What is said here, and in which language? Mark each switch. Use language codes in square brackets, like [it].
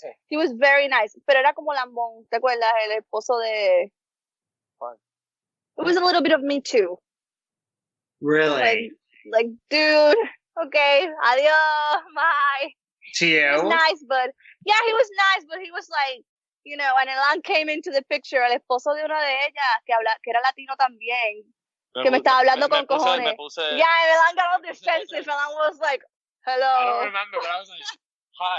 [en] He was very nice. [es] Pero era como lambón. ¿Te acuerdas? El esposo de... [en] It was a little bit of me, too. Really? Like, dude, okay, adiós, bye. To you? He was nice, but... Yeah, he was nice, but he was like, you know, and Elan came into the picture, [es] el esposo de una de ellas, que habla, que era latino también, que me estaba hablando con cojones. [en] Yeah, and Elan got all defensive, and I was like, hello. I don't remember, but I was like, hi,